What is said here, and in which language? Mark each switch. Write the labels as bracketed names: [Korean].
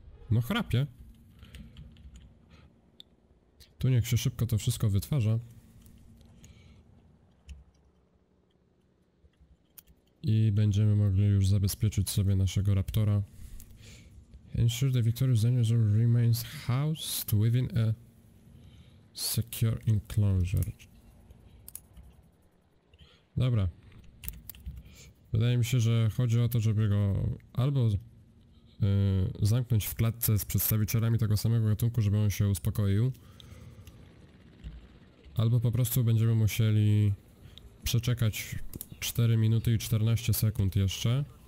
[Polish] No chrapie. Tu niech się szybko to wszystko wytwarza. I będziemy mogli już zabezpieczyć sobie naszego raptora. [English] Ensure the victorious dinosaur remains housed within a secure enclosure. [Polish] Dobra. Wydaje mi się, że chodzi o to, żeby go albo zamknąć w klatce z przedstawicielami tego samego gatunku, żeby on się uspokoił. Albo po prostu będziemy musieli przeczekać 4 minuty i 14 sekund jeszcze.